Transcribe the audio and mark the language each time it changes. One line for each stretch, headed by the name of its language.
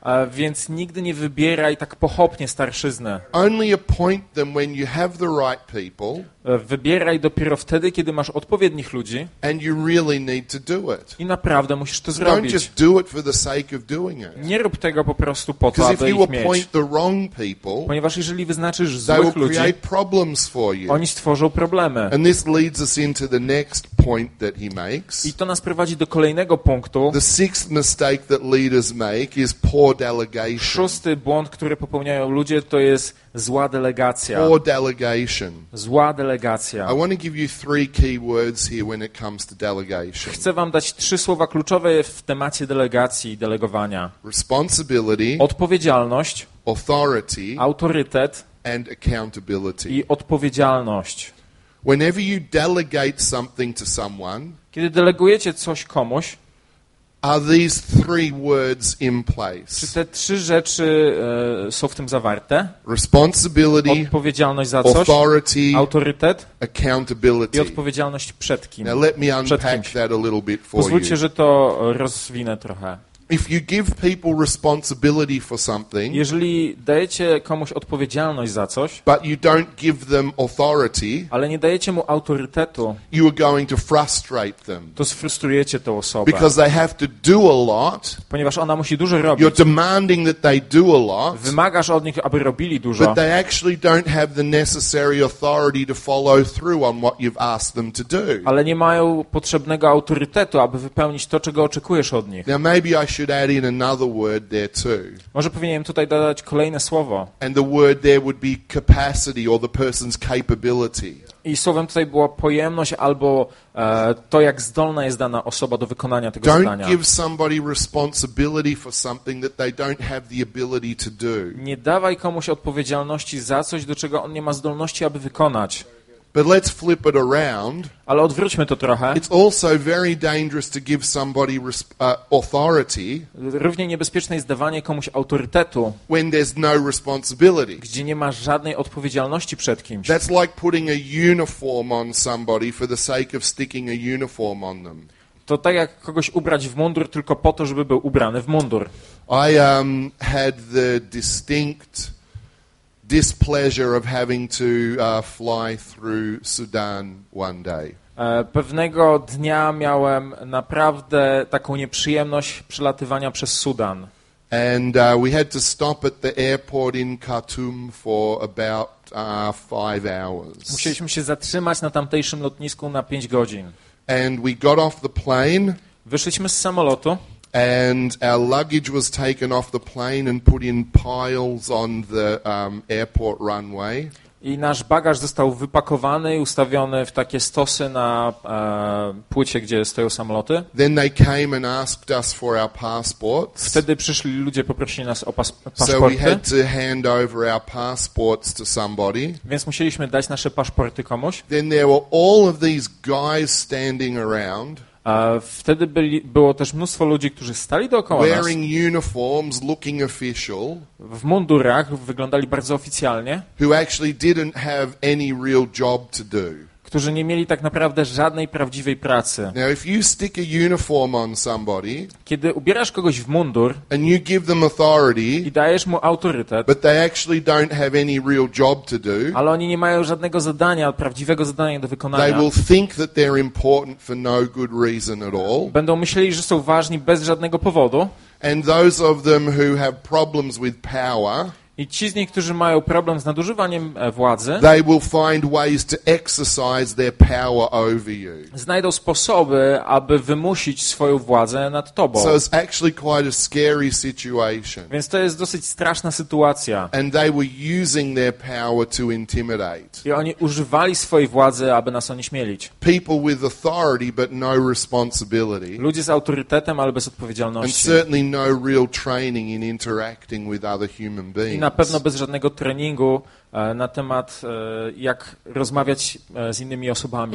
Polish: Więc nigdy nie wybieraj tak pochopnie starszyznę.
English: Only appoint them when you have the right people.
Polish: Wybieraj dopiero wtedy, kiedy masz odpowiednich ludzi.
English: And you really need to do it.
Polish: I naprawdę musisz to zrobić.
English: Don't just do it for the sake of doing it.
Polish: Nie rób tego po prostu po to, aby ich mieć.
English: The wrong people,
Polish: ponieważ jeżeli wyznaczysz złych ludzi, oni stworzą problemy.
English: And this leads us into the next point that he makes.
Polish: I to nas prowadzi do kolejnego punktu.
English: The sixth mistake that leaders make is poor delegation.
Polish: Szósty błąd, który popełniają ludzie, to jest zła delegacja.
English: Poor delegation.
Polish: Zła delegacja.
English: I want to give you three key words here when it comes to delegation.
Polish: Chcę wam dać trzy słowa kluczowe w temacie delegacji i delegowania.
English: Responsibility.
Polish: Odpowiedzialność.
English: Authority.
Polish: Autorytet.
English: And accountability.
Polish: I odpowiedzialność.
English: Whenever you delegate something to someone,
Polish: kiedy delegujecie coś komuś,
English: are these three words in place?
Polish: Czy te trzy rzeczy są w tym zawarte?
English: Responsibility,
Polish: odpowiedzialność za coś,
English: authority,
Polish: autorytet,
English: accountability,
Polish: i odpowiedzialność przed kim?
English: Now let me unpack that a little bit for
Polish: pozwólcie,
English: you.
Polish: Że to rozwinę trochę.
English: If you give people responsibility for something,
Polish: jeżeli dajecie komuś odpowiedzialność za coś,
English: but you don't give them authority,
Polish: ale nie dajecie mu autorytetu,
English: you are going to frustrate them.
Polish: To sfrustrujecie tę osobę.
English: Because they have to do a lot,
Polish: ponieważ ona musi dużo robić.
English: You're demanding that they do a lot,
Polish: wymagasz od nich, aby robili dużo.
English: But they actually don't have the necessary authority to follow through on what you've asked them to do.
Polish: Ale nie mają potrzebnego autorytetu, aby wypełnić to, czego oczekujesz od nich.
English: Now maybe I should add in another word there too.
Polish: Może powinienem tutaj dodać kolejne słowo.
English: And the word there would be capacity or the person's capability.
Polish: I słowem tutaj była pojemność albo to, jak zdolna jest dana osoba do wykonania tego
English: don't
Polish: zadania.
English: Give somebody responsibility for something that they don't have the ability to do.
Polish: Nie dawaj komuś odpowiedzialności za coś, do czego on nie ma zdolności, aby wykonać.
English: But let's flip it around.
Polish: Ale odwróćmy to trochę.
English: It's also very dangerous to give somebody authority.
Polish: Równie niebezpieczne jest dawanie komuś autorytetu.
English: When there's no responsibility.
Polish: Gdzie nie masz żadnej odpowiedzialności przed kimś.
English: That's like putting a uniform on somebody for the sake of sticking a uniform on them.
Polish: To tak jak kogoś ubrać w mundur tylko po to, żeby był ubrany w mundur.
English: I had the distinct displeasure of having to fly through Sudan one day.
Polish: Pewnego dnia miałem naprawdę taką nieprzyjemność przelatywania przez Sudan.
English: And we had to stop at the airport in Khartoum for about 5 hours.
Polish: Musieliśmy się zatrzymać na tamtejszym lotnisku na 5 godzin.
English: And we got off the plane.
Polish: Wyszliśmy z samolotu.
English: And our luggage was taken off the plane and put in piles on the airport runway.
Polish: I nasz bagaż został wypakowany i ustawiony w takie stosy na płycie, gdzie stoją samoloty.
English: Then they came and asked us for our passports.
Polish: Wtedy przyszli ludzie, poprosili nas o paszporty.
English: So we had to hand over our passports to somebody.
Polish: Więc musieliśmy dać nasze paszporty komuś.
English: Then there were all of these guys standing around.
Polish: Wtedy było też mnóstwo ludzi, którzy stali dookoła nas.
English: Wearing uniforms, looking official,
Polish: w mundurach, wyglądali bardzo oficjalnie,
English: who actually didn't have any real job to do.
Polish: którzy nie mieli tak naprawdę żadnej prawdziwej pracy.
English: Now, if you stick a uniform on somebody,
Polish: kiedy ubierasz kogoś w mundur
English: and you give them authority,
Polish: i dajesz mu autorytet,
English: but they actually don't have any real job to do,
Polish: ale oni nie mają żadnego zadania, prawdziwego zadania do wykonania,
English: they will think that they're important for no good reason at all.
Polish: Będą myśleli, że są ważni bez żadnego powodu.
English: And those of them who have problems with power,
Polish: i ci z nich, którzy mają problem z nadużywaniem władzy,
English: they will find ways to exercise their power over you.
Polish: Znajdą sposoby, aby wymusić swoją władzę nad tobą.
English: So it's actually quite a scary situation.
Polish: Więc to jest dosyć straszna sytuacja.
English: And they were using their power to intimidate.
Polish: I oni używali swojej władzy, aby nas onieśmielić.
English: People with authority but no responsibility.
Polish: Ludzie z autorytetem, ale bez odpowiedzialności.
English: And certainly no real training in interacting with other human beings.
Polish: I na pewno bez żadnego treningu na temat, jak rozmawiać z innymi osobami.